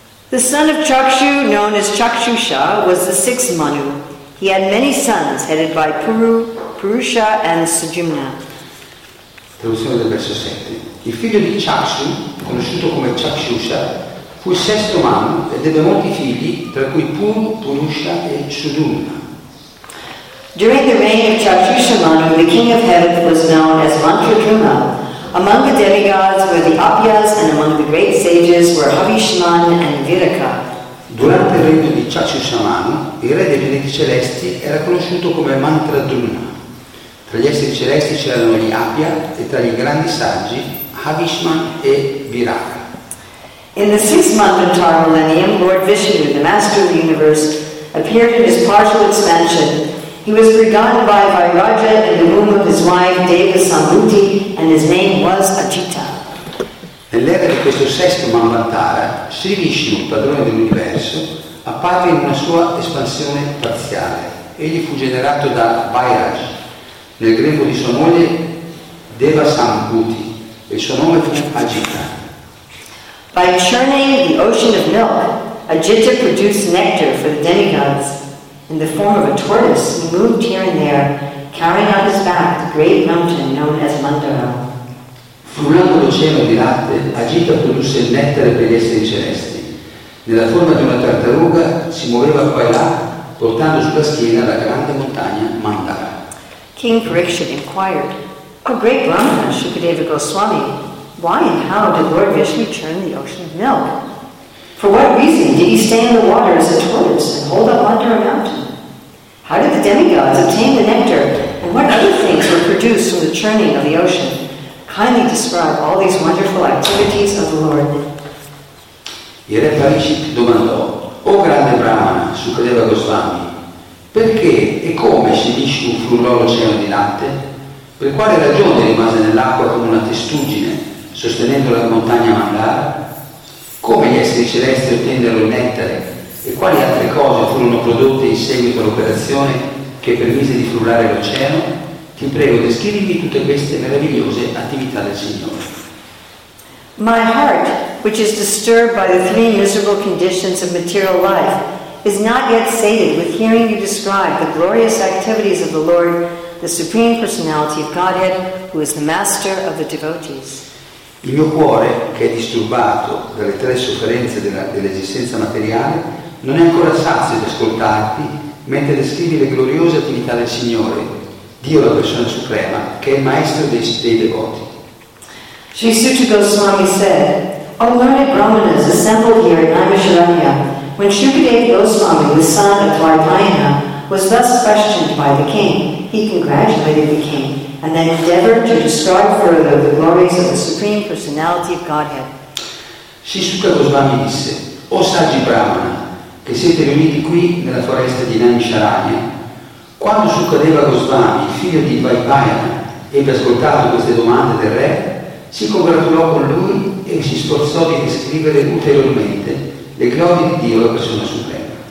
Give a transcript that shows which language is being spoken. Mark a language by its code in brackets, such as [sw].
[en] The son of Chakshu, known as Chakshusha, was the sixth Manu. He had many sons, headed by Purusha and Sujumna. [it] Traduzione del verso 7. Il figlio di Chakshu, conosciuto come Chakshusha, fu il sesto Manu ed ebbe molti figli, tra cui Purusha e Sujumna. [en] During the reign of Chakshusha Manu, the king of heaven was known as Mantradruma. Among the demigods were the Apyas, and among the great sages were Havishman and Viraka. [it] Durante il regno di Chakshusha Manu, il re dei pianeti celesti era conosciuto come Mantradruma. Tra gli esseri celesti c'erano gli Apya e tra i grandi saggi Havishman e Viraka. [en] In the sixth month of Tara millennium, Lord Vishnu, the master of the universe, appeared in his partial expansion. He was begotten by Vairaja in the womb of his wife Devasambhuti, and his name was Ajita. [it] Nell'era di questo sesto Manvantara, Sri Vishnu, padrone dell'universo, apparve in una sua espansione parziale. Egli fu generato da Vairaj, nel grembo di sua moglie Devasambhuti, e il suo nome fu Ajita. [en] By churning the ocean of milk, Ajita produced nectar for the demigods. In the form of a tortoise, he moved here and there, carrying on his back the great mountain known as Mandara. [it] Frullando l'oceano di latte, Ajita produsse il nettare per gli esseri celesti. Nella forma di una tartaruga, si muoveva qua e là, portando sulla schiena la grande montagna Mandara. [en] King Parikshit inquired, O great Brahmana, Shukadeva Goswami, why and how did Lord Vishnu churn the ocean of milk? For what reason did he stay in the water as a tortoise and hold up under a mountain? How did the demigods obtain the nectar, and what other things were produced from the churning of the ocean? Kindly describe all these wonderful activities of the Lord. [it] Il re Parikshit domandò, O grande Brahmana, Sukadeva Goswami, perché e come Sri Vishnu frullò l'oceano di latte? Per quale ragione rimase nell'acqua come una testuggine, sostenendo la montagna Mandara? Come gli esseri celesti ottennero il nettare e quali altre cose furono prodotte in seguito all'operazione che permise di frullare l'oceano? Ti prego, descrivimi tutte queste meravigliose attività del Signore. [en] My heart, which is disturbed by the three miserable conditions of material life, is not yet sated with hearing you describe the glorious activities of the Lord the Supreme Personality of Godhead, who is the master of the devotees. [it] Il mio cuore, che è disturbato dalle tre sofferenze dell'esistenza materiale, non è ancora sazio di ascoltarti mentre descrivi le gloriose attività del Signore, Dio la Persona Suprema, che è il maestro dei devoti. [en] Sri Suta Goswami said, O learned Brahmanas assembled here in Naimisharanya, when Shukadeva Goswami, the son of Vaidyayana, was thus questioned by the king, he congratulated the king and then endeavored to describe further the glories of the Supreme Personality of Godhead. [it] Sri Suta Goswami disse, O saggi Brahmana, che siete riuniti qui nella foresta di Naimisharanya, quando Shukadeva Goswami, figlio di Vaidyayana, ebbe ascoltato queste domande del re, si congratulò con lui e si sforzò di descrivere ulteriormente le glorie di Dio, la Persona Suprema.